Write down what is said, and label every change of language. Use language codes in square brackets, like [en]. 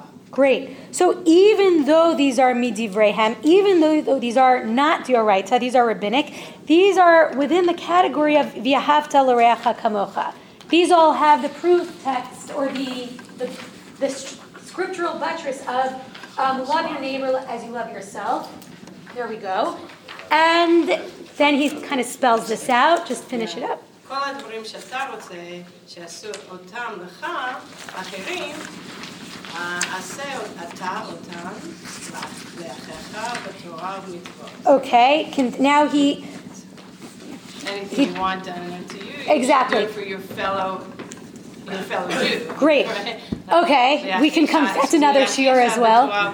[en] Great. So even though these are midivrehem, even though these are not dioraita, these are rabbinic, these are within the category of v'ahavta l'reacha kamocha. These all have the proof text or the scriptural buttress of love your neighbor as you love yourself. There we go. And then he kind of spells this out. Just finish it up. [he] כל הדברים שאתה רוצה שעשו אותם לך, אחרים, עשה אתה אותם לאחריך בתורה ומצוות. [en] Okay, now he... Anything you want done unto you, exactly. You do it for your fellow Jew. Great. Okay, we can come, that's another shiur as well.